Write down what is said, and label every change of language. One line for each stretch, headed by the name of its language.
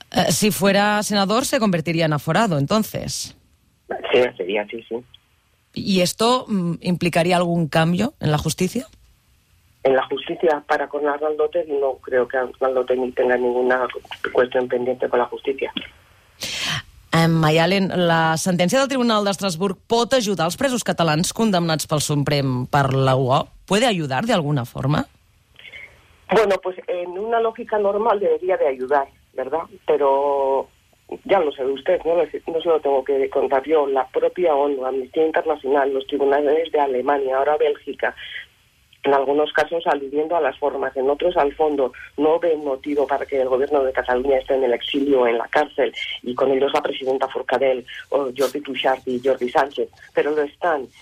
Spanish: Si fuera senador, ¿se convertiría en aforado entonces? Sí, sería así, sí. ¿Y esto implicaría algún cambio en la justicia? En la justicia, para con Arnaldo Otegi, no creo que Arnaldo Otegi tenga ninguna cuestión pendiente con la justicia.
Catalan: Mayalen, la sentència del Tribunal d'Estrasburg pot ajudar els presos catalans condemnats pel Suprem per la UO?
Spanish: ¿Puede ayudar de alguna forma? Bueno, pues en una lógica normal debería de ayudar, ¿verdad? Pero ya lo sabe usted, no se lo tengo que contar yo, la propia ONU, Amnistía Internacional, los tribunales de Alemania, ahora Bélgica, en algunos casos aludiendo a las formas, en otros al fondo, no ven motivo para que el gobierno de Cataluña esté en el exilio o en la cárcel, y con ellos la presidenta Forcadell, o Jordi Cuixart y Jordi Sánchez, pero lo están.